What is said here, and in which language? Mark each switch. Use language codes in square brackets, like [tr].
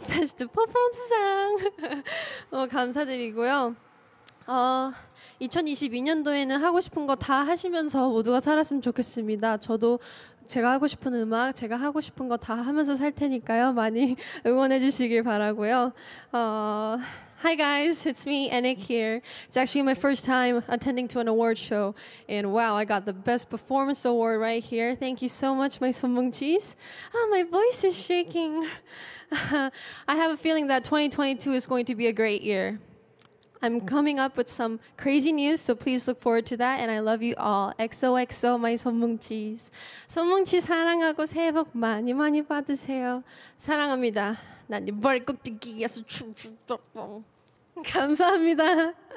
[ko] 베스트 퍼포먼스 상. 너무 감사드리고요. 2022년도에는 하고 싶은 거 다 하시면서 모두가 살았으면 좋겠습니다. 저도 제가 하고 싶은 음악, 제가 하고 싶은 거 다 하면서 살 테니까요. 많이 응원해 주시길 바라고요. [en] Hi guys, it's me, Anik here. It's actually my first time attending to an award show. And wow, I got the best performance award right here. Thank you so much, my Sonbongchis. Ah, my voice is shaking. I have a feeling that 2022 is going to be a great year. I'm coming up with some crazy news, so please look forward to that. And I love you all. XOXO, my Sonbongchis. [ko] Sonbongchi 사랑하고 새해 복 많이 많이 받으세요. 사랑합니다. 난 네 머리 꼭 뜯기 위해서 춤추고 감사합니다.